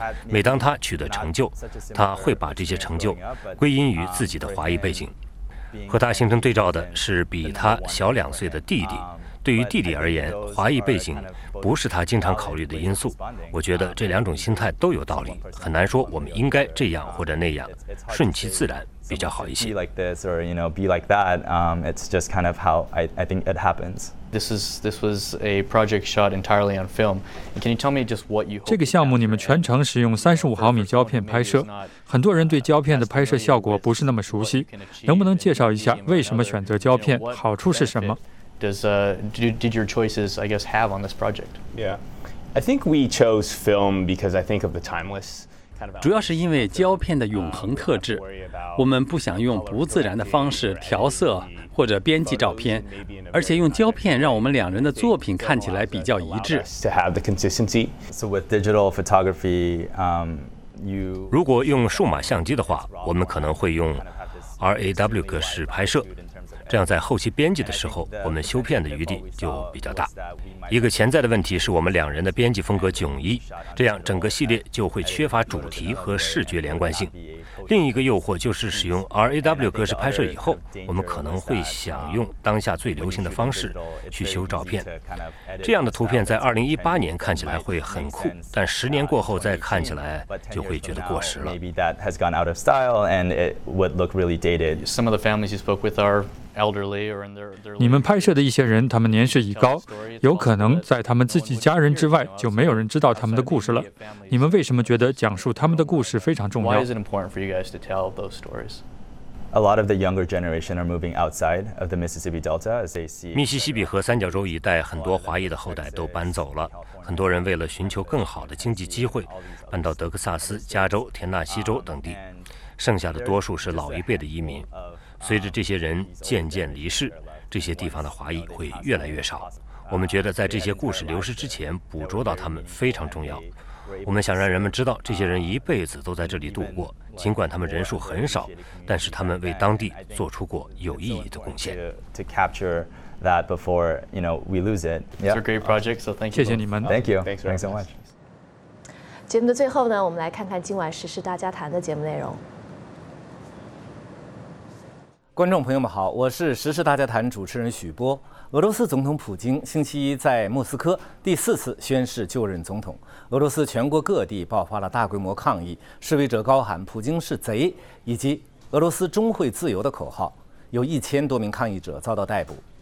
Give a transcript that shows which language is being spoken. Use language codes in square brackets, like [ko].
[zh] 每当他取得成就，他会把这些成就归因于自己的华裔背景。和他形成对照的是比他小2岁的弟弟。对于弟弟而言，华裔背景不是他经常考虑的因素。我觉得这两种心态都有道理，很难说我们应该这样或者那样，顺其自然比较好一些。 [en] Be like this or you know be like that. It's just kind of how I think it happens. This was a project shot entirely on film. Can you tell me just what you? [zh] 这个项目你们全程使用35毫米胶片拍摄，很多人对胶片的拍摄效果不是那么熟悉，能不能介绍一下为什么选择胶片，好处是什么？ [en] Did your choices, I guess, have on this project? Yeah, I think we chose film because I think of the timeless. [zh] 主要是因为胶片的永恒特质，我们不想用不自然的方式调色或者编辑照片，而且用胶片让我们两人的作品看起来比较一致。 [en] To have the consistency. So with digital photography, you. [zh] 如果用数码相机的话，我们可能会用 RAW 格式拍摄。这样在后期编辑的时候，我们修片的余地就比较大。一个潜在的问题是我们两人的编辑风格迥异，这样整个系列就会缺乏主题和视觉连贯性。另一个诱惑就是使用 RAW 格式拍摄以后，我们可能会想用当下最流行的方式去修照片。这样的图片在2018年看起来会很酷，但10年过后再看起来就会觉得过时了。 [en] Maybe that has gone out of style and it would look really dated. Some of the families you spoke with are. [zh] 你们拍摄的一些人，他们年事已高，有可能在他们自己家人之外就没有人知道他们的故事了。你们为什么觉得讲述他们的故事非常重要？ [en] A lot of the younger generation are moving outside of the Mississippi Delta as they see. [zh] 密西西比河三角洲一带很多华裔的后代都搬走了，很多人为了寻求更好的经济机会，搬到德克萨斯、加州、田纳西州等地，剩下的多数是老一辈的移民。随着这些人渐渐离世，这些地方的华裔会越来越少。我们觉得在这些故事流失之前捕捉到他们非常重要。我们想让人们知道这些人一辈子都在这里度过，尽管他们人数很少，但是他们为当地做出过有意义的贡献。 [en] To capture that before, you know, we lose it. It's a great project, so thank you. [zh] 谢谢你们。 [en] Thank you. Thanks so much. [zh] 节目的最后呢，我们来看看今晚时事大家谈的节目内容。观众朋友们好，我是时事大家谈主持人许波。俄罗斯总统普京星期一在莫斯科第四次宣誓就任总统，俄罗斯全国各地爆发了大规模抗议，示威者高喊普京是贼以及俄�罗斯终会自由的口号，有1000多名抗议者遭到逮捕。